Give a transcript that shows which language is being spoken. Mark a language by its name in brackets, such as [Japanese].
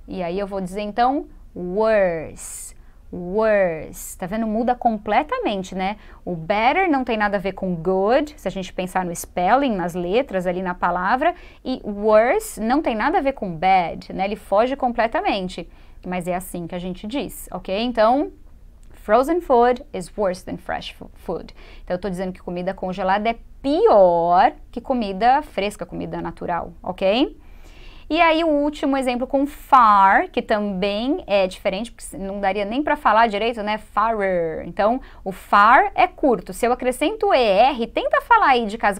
[Portuguese] E aí eu vou dizer, então, worse. Worse. Tá vendo? Muda completamente, né? O better não tem nada a ver com good, se a gente pensar no spelling, nas letras ali na palavra. E worse não tem nada a ver com bad, né? Ele foge completamente. Mas é assim que a gente diz, ok? [English] Então, frozen food is worse than fresh food. [Portuguese] Então, eu tô dizendo que comida congelada é pior que comida fresca, comida natural, ok? E aí, o último exemplo com far, que também é diferente, porque não daria nem para falar direito, né? Farer. Então, o far é curto. Se eu acrescento o ER, tenta falar aí de casa.